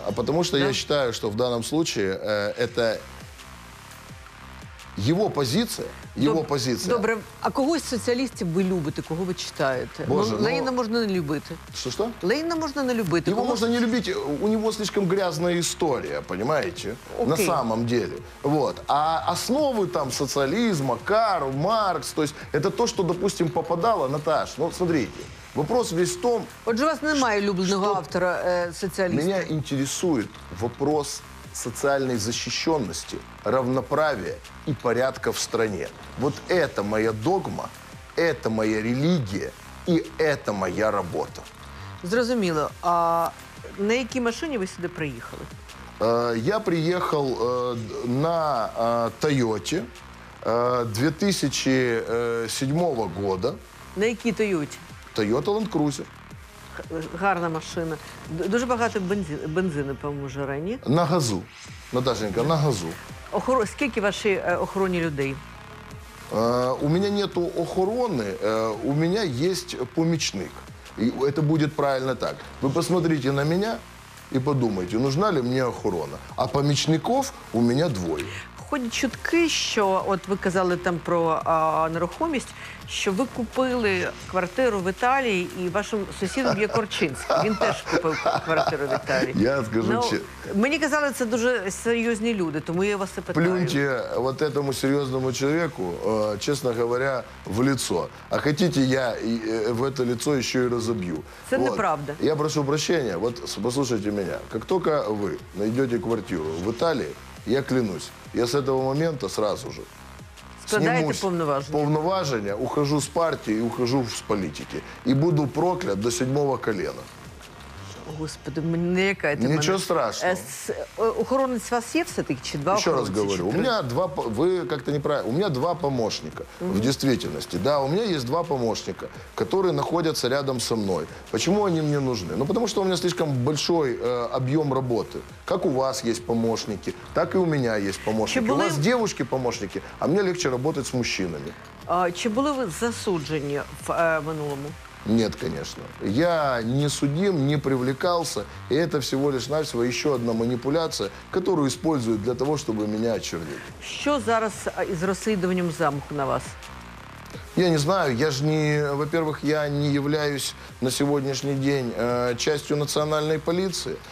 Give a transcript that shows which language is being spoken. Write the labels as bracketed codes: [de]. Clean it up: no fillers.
[ru] А потому что я считаю, что в данном случае это его позиция. [uk] Його позиція. Добре, а когось з соціалістів ви любите, кого ви читаєте? Боже, Леніна можна не любити. Що? Леніна можна не любити. Його можна не любити, у нього слишком грязна історія, розумієте? Окей. [ru] На самом деле. Вот. А основи там соціалізму, Карл, Маркс, то есть, [uk] це те, що, [ru] допустим, попадало, Наташ, ну, смотрите, вопрос весь в том... [uk] Отже, у вас немає улюбленого автора соціалістів. [ru] Меня интересует вопрос социальной защищенности, равноправия и порядка в стране. Вот это моя догма, это моя религия и это моя работа. [uk] Зрозуміло. А на якій машині ви сюди приїхали? Я приїхав на Тойоті 2007 года. На якій Тойоті? Тойота Ланд Крузер. Гарна машина. Дуже багато бензину, по-моєму, вже рані. На газу. Наташенька, на газу. Скільки вашої охорони людей? У мене нету охорони, у мене є помічник. І це буде правильно так. Ви посмотрите на мене і подумайте, нужна ли мені охорона. А помічників у мене двоє. ходять чутки, що от ви казали там про нерухомість, що ви купили квартиру в Італії, і вашим сусідом є Корчинський. Він теж купив квартиру в Італії. Я скажу, чи... мені казали, це дуже серйозні люди, тому я вас і питаю. [ru] Плюньте от этому [uk] серйозному чоловіку, [ru] чесно говоря, в лицо. А хотите, я в это лицо [uk] ще й розоб'ю. Це неправда. Я прошу прощення, от послухайте мене. Як тільки ви знайдете квартиру в Італії, я клянусь, я з цього моменту одразу ж снімусь повноваження, ухожу з партії, ухожу з політики. І буду проклят до сьомого коліна. Господи, мені яка ти мене... Нічого страшного. Охоронець у вас є все-таки, чи два охоронці? Раз говорю, у мене два... Ви як-то неправильно. У мене два помічника, в дійсності. Да, у мене є два помічника, які знаходяться рядом зі мною. Чому вони мені потрібні? Ну, тому що у мене слишком великий об'єм роботи. Як у вас є помічники, так і у мене є помічники. Були... У вас дівчатки помічники, а мені легше працювати з чоловіками. Чи були ви засуджені в минулому? [ru] Нет, конечно. Я не судим, не привлекался, и это всего лишь навсего еще одна манипуляция, которую используют для того, чтобы меня очернить. Что зараз с расследованием замку на вас? Я не знаю, я же не, во-первых, я не являюсь на сегодняшний день частью национальной полиции.